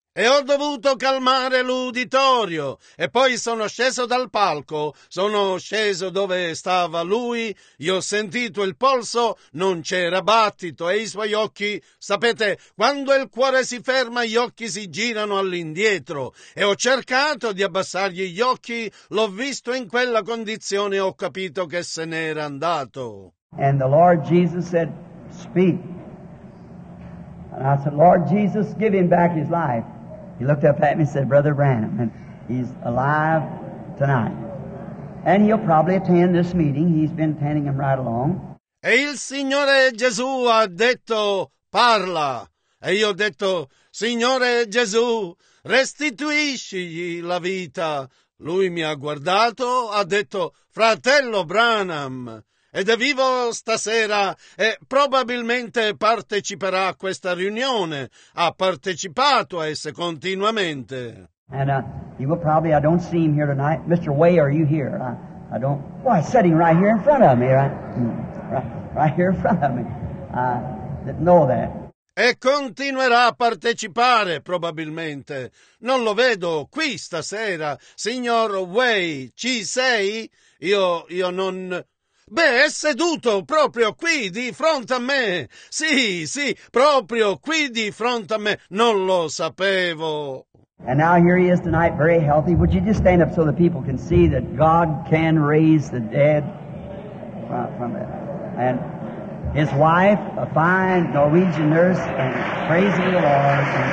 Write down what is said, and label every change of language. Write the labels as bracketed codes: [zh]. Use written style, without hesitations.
[it] E ho dovuto calmare l'uditorio, e poi sono sceso dal palco, sono sceso dove stava lui, io ho sentito il polso, non c'era battito, e i suoi occhi, sapete, quando il cuore si ferma, gli occhi si girano all'indietro, e ho cercato di abbassargli gli occhi, l'ho visto in quella condizione, ho capito che se n'era andato. [en] And the Lord Jesus said, speak. And I said, Lord Jesus, give him back his life. He looked up at me and said, Brother Branham, and he's alive tonight. And he'll probably attend this meeting. He's been attending him right along. [it] E il Signore Gesù ha detto, parla. E io ho detto, Signore Gesù, restituiscigli la vita. Lui mi ha guardato, ha detto, fratello Branham, ed è vivo stasera e probabilmente parteciperà a questa riunione. Ha partecipato a esse continuamente. [en] And you will probably, I don't see him here tonight. Mr. Way, are you here? I don't, well, he's sitting right here in front of me, right here in front of me. I didn't know that. [it] E continuerà a partecipare, probabilmente. Non lo vedo qui stasera. Signor Way, ci sei? Io non... Beh, è seduto proprio qui di fronte a me. Sì, sì, proprio qui di fronte a me. Non lo sapevo. [en] And now here he is tonight, very healthy. Would you just stand up so the people can see that God can raise the dead from it? And... His wife, a fine Norwegian nurse, and praising the Lord.